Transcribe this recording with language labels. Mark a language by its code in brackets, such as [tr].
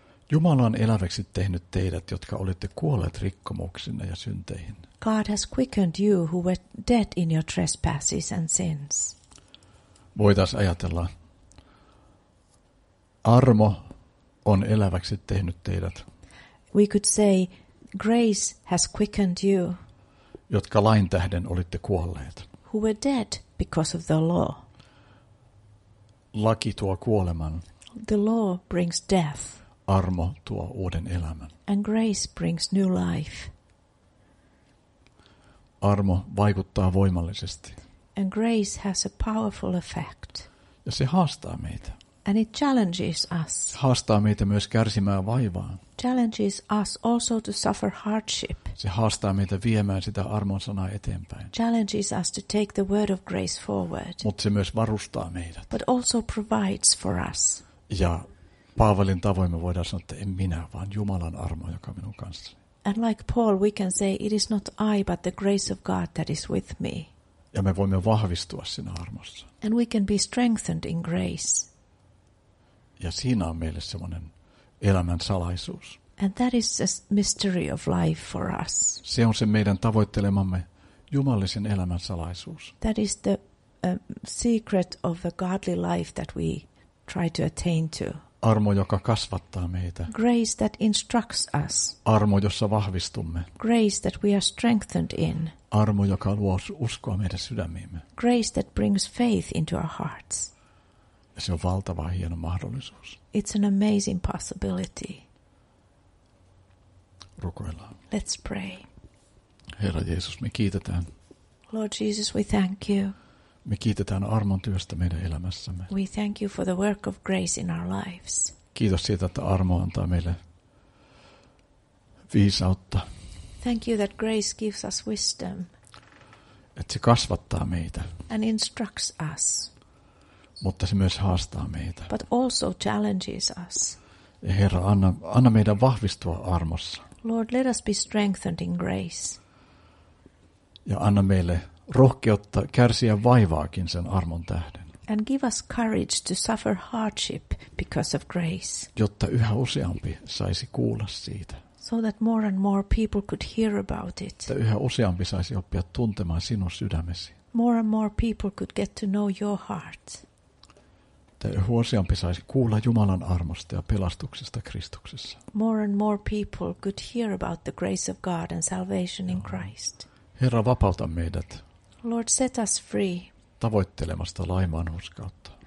[fi] Jumala on eläväksi tehnyt teidät, jotka olitte kuolleet rikkomuksinne ja synteihin. [en] God has quickened you who were dead in your trespasses and sins. [fi] Voitais ajatella. Armo on eläväksi tehnyt teidät. [en] We could say grace has quickened you. [fi] Jotka lain tähden olitte kuolleet. [en] Who were dead because of the law. [fi] Laki tuo kuoleman. [en] The law brings death. [fi] Armo tuo uuden elämän. [en] And grace brings new life. [fi] Armo vaikuttaa voimallisesti. [en] And grace has a powerful effect. [fi] Ja se haastaa meitä. [en] And it challenges us. [fi] Haastaa meitä myös kärsimään vaivaa. [en] Challenges us also to suffer hardship. [fi] Se haastaa meitä viemään sitä armon sanaa eteenpäin. [en] Challenges us to take the word of grace forward. [fi] Mutta se myös varustaa meidät. [en] But also provides for us. [fi] Ja Paavalin tavoin me voidaan sanoa, että en minä, vaan Jumalan armo, joka minun kanssani. [en] And like Paul, we can say, it is not I, but the grace of God that is with me. [fi] Ja me voimme vahvistua siinä armossa. [en] And we can be strengthened in grace. [fi] Ja siinä on meille semmoinen elämän salaisuus. [en] And that is a mystery of life for us. [fi] Se on se meidän tavoittelemamme jumalisen elämän salaisuus. [en] That is the secret of the godly life that we try to attain to. [fi] Armo, joka kasvattaa meitä. [en] Grace that instructs us. [fi] Armo, jossa vahvistumme. [en] Grace that we are strengthened in. [fi] Armo, joka luo uskoa meidän sydämiimme. [en] Grace that brings faith into our hearts. [fi] Ja se on valtava hieno mahdollisuus. [en] It's an amazing possibility. [fi] Rukoillaan. [en] Let's pray. [fi] Herra Jeesus, me kiitetään. [en] Lord Jesus, we thank you. [fi] Me kiitetään armon työstä meidän elämässämme. [en] We thank you for the work of grace in our lives. [fi] Kiitos siitä, että armo antaa meille viisautta. [en] Thank you that grace gives us wisdom. [fi] Että se kasvattaa meitä. [en] And instructs us. [fi] Mutta se myös haastaa meitä. [en] But also challenges us. [fi] Ja Herra, anna meidän vahvistua armossa. [en] Lord, let us be strengthened in grace. [fi] Ja anna meille rohkeutta kärsiä vaivaakin sen armon tähden. [en] And give us courage to suffer hardship because of grace. [fi] Jotta yhä useampi saisi kuulla siitä. [en] So that more and more people could hear about it. [fi] Jotta yhä useampi saisi oppia tuntemaan sinun sydämesi. [en] more and more people could get to know your heart. [fi] Huosiampi saisi kuulla Jumalan armosta ja pelastuksesta Kristuksessa. [en] More and more people could hear about the grace of God and salvation in Christ. [fi] Herra, vapauta meidät. [en] Lord, set us free. [fi] Tavoittelemasta laimanuskautta.